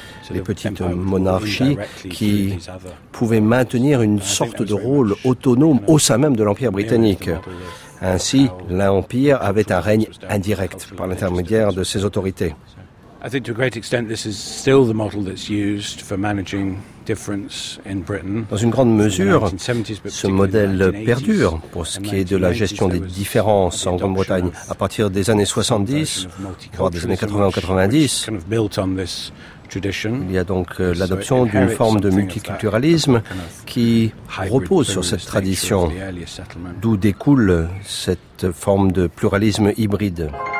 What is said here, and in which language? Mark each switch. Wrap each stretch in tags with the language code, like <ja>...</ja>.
<fr>Les petites monarchies qui pouvaient maintenir une sorte de rôle autonome au sein même de l'Empire britannique. Ainsi, l'Empire avait un règne indirect par l'intermédiaire de ses autorités.</fr> <en>I think to a great extent this is still the model that's used for managing difference in Britain.</en> <fr>Dans une grande mesure, ce modèle perdure pour ce qui est de la gestion des différences en Grande-Bretagne à partir des années 70, voire des années 80-90. Il y a donc l'adoption d'une forme de multiculturalisme qui repose sur cette tradition, d'où découle cette forme de pluralisme hybride.</fr>